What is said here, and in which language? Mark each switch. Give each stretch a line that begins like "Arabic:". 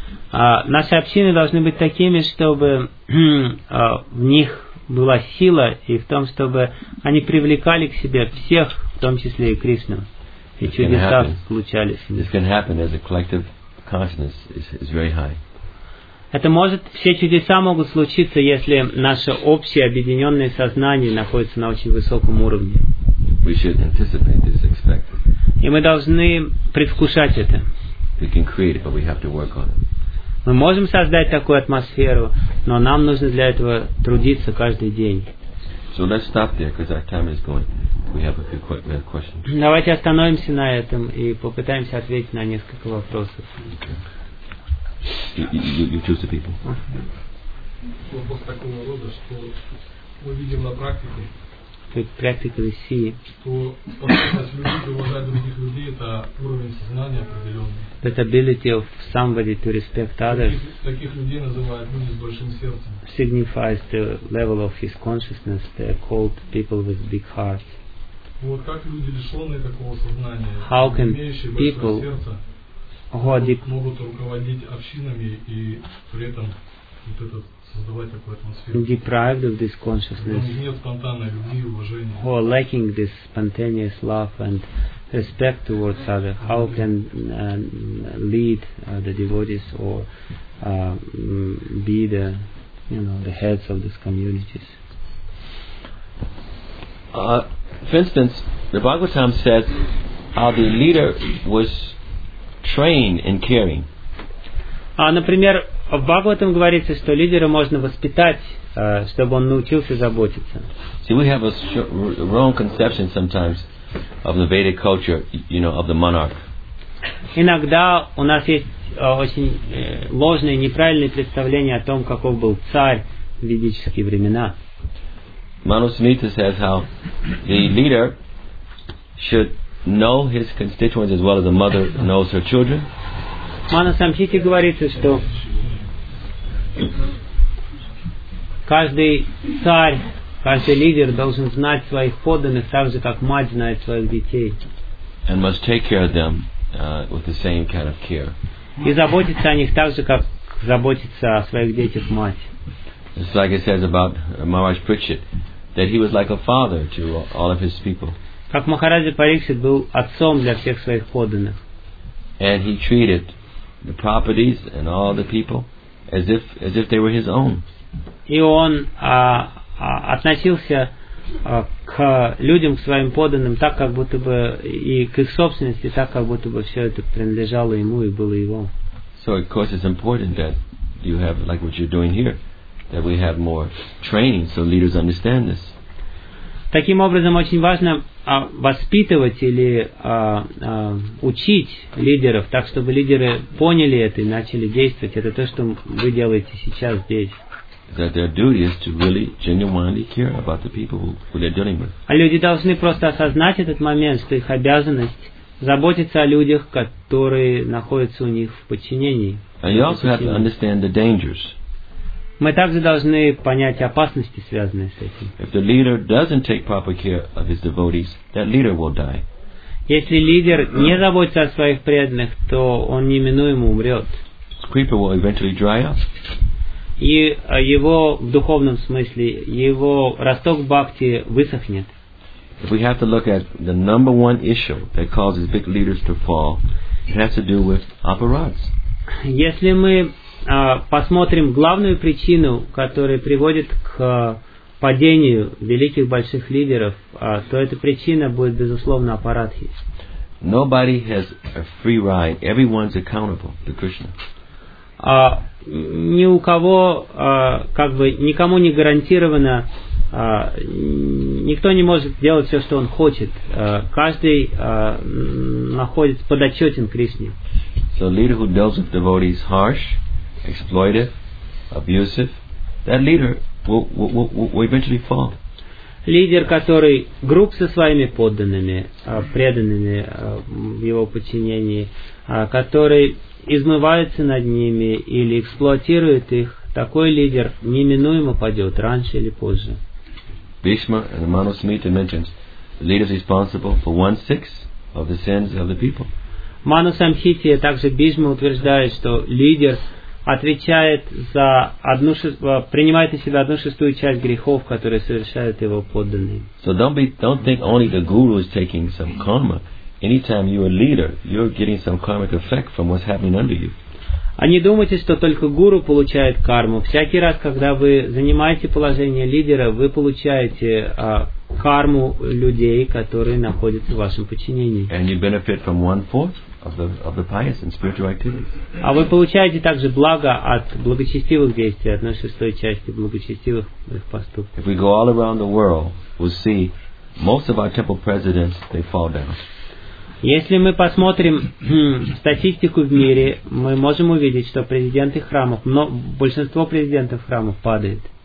Russian: Наши общины должны быть такими, чтобы в них была сила и в том, чтобы они привлекали к себе всех, в том числе и Кришну. И чудеса случались.
English: This can happen as a collective consciousness is very high.
Russian: Это может, все чудеса могут случиться, если наше общее объединенное сознание находится на очень высоком уровне.
English: We should anticipate this, expect it.
Russian: И мы должны предвкушать это.
English: We can create it, but we have to work on it.
Russian: Мы можем создать такую атмосферу, но нам нужно для этого трудиться каждый день.
English: So let's stop there, because our time is going. We have a few questions.
Russian: Давайте остановимся на этом и попытаемся ответить на несколько вопросов.
English: You choose the people.
Russian: Вопрос такого рода, что мы видим на практике, что способность людей уважать других людей — это уровень сознания определенный.
English: That ability of somebody to respect others.
Russian: Таких людей называют люди с большим сердцем.
English: Signifies the level of his consciousness. They are called people with big hearts.
Russian: Вот как люди, лишенные такого сознания,
English: how can
Russian: имеющие большое сердце, могут руководить общинами и при этом вот это, создавать такую атмосферу.
English: Deprived of this consciousness.
Russian: У них нет спонтанной любви и уважения.
English: Who are lacking this spontaneous love and respect towards others? How can lead the devotees or be the, you know, the heads of these communities? For instance, the Bhagavatam says how the leader was train in caring.
Russian: Например, в Бхагаватам говорится, что лидера можно воспитать, чтобы он научился заботиться.
English: See, we have a wrong conception sometimes of the Vedic culture, you know, of the monarch.
Russian: Иногда у нас есть очень ложное, неправильное представление о том, каков был царь в ведические времена.
English: Manusmita says how the leader should know his constituents as well as a mother knows her children.
Russian: Манасамхити говорится, что каждый царь, каждый лидер должен знать своих подданных так же, как мать знает своих детей.
English: And must take care of them with the same kind of care.
Russian: И заботиться о них так же, как заботиться о своих детях мать.
English: It's like it says about Maharaj Prichit, that he was like a father to all of his people.
Russian: Как Махараджа Парикшит был отцом для всех своих подданных.
English: And he treated the properties and all the people as if they were his own.
Russian: И он относился к людям, к своим подданным, так как будто бы и к их собственности, так как будто бы все это принадлежало ему и было его.
English: So of course it's important that you have, like what you're doing here, that we have more training so leaders understand this.
Russian: Таким образом, очень важно воспитывать или учить лидеров, так чтобы лидеры поняли это и начали действовать. Это то, что вы делаете сейчас здесь. А люди должны просто осознать этот момент, что их обязанность заботиться о людях, которые находятся у них в подчинении. Мы также должны понять опасности, связанные с этим.
English: If the leader doesn't take proper care of his devotees, that leader will die.
Russian: Если лидер не заботится о своих преданных, то он неминуемо умрет.
English: His creeper will eventually dry up.
Russian: И его в духовном смысле, его росток бхакти высохнет.
English: If we have to look at the number one issue that causes big leaders to fall, it has to do with aparads.
Russian: Если мы посмотрим главную причину, которая приводит к падению великих больших лидеров, то эта причина будет, безусловно, апарадхи.
English: Nobody has a free ride. Everyone's accountable to Krishna.
Russian: Ни у кого, как бы, никому не гарантировано, никто не может делать все, что он хочет. Каждый находится подотчетен Кришне.
English: So leader who deals with devotees harsh, exploitive, abusive, that leader will eventually fall.
Russian: лидер, который груб со своими подданными, преданными в его подчинении, который измывается над ними или эксплуатирует их, такой лидер неминуемо падет раньше или позже.
English: Bhishma in the Manusmita mentions the leader is responsible for 1/6 of the sins of the people.
Russian: Manusamhita, также Бхишма утверждает, что лидер отвечает за одну принимает на себя 1/6 часть грехов, которые совершают его подданные.
English: So don't think only the guru is taking some karma. Anytime you are a leader, you're getting some karmic effect from what's happening under you.
Russian: А не думайте, что только гуру получает карму. Всякий раз, когда вы занимаете положение лидера, вы получаете карму людей, которые находятся в вашем подчинении.
English: And you benefit from 1/4 of the pious and spiritual activities.
Russian: А вы получаете также благо от благочестивых действий, от 1/6 части благочестивых поступков.
English: If we go all around the world, we'll see most of our temple presidents, they fall down.
Russian: Если мы посмотрим статистику в мире, мы можем увидеть, что президенты храмов, но большинство президентов храмов падает.